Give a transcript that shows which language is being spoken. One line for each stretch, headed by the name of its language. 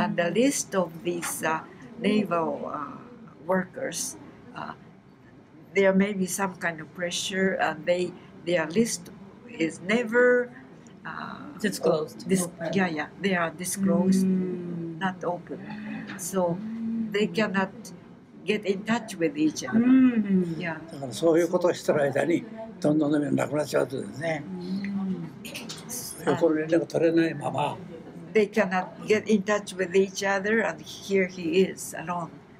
English: and the list of these naval workers,、there may be some kind of pressure, and their list is never disclosed. They are disclosed,、mm. not open. So they cannot get in touch with each other.、 Mm. Yeah.
Japanese: だからそういうことをしてる間に、どんどんどんどんなくなっちゃうとですね。横の連絡が取れないまま、
English: They cannot get in touch with each other, and here he is alone.